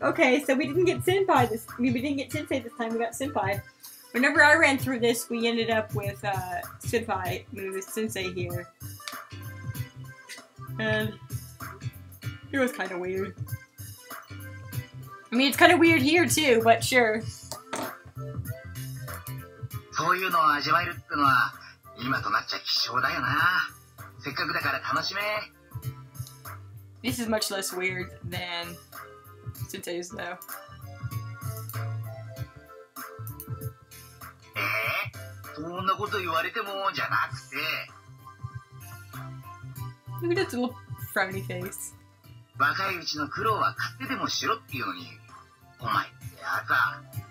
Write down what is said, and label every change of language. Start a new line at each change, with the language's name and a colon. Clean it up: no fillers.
English: Okay, so we didn't get senpai this- I mean, we didn't get sensei this time, we got senpai. Whenever I ran through this, we ended up with, senpai, with sensei here. And it was kind of weird. I mean, it's kind of weird here too, but sure.
Japanese: そういうのを味わえるってのは今となっちゃ希少だよな。せっかくだから楽しめ。
English: This is much less weird than today's though.
Japanese: そんなこと言われてもじゃなくて。
English: Look at that little frowny face.
Japanese: 若いうちの苦労は勝手でもしろっていうのに、お前やだ。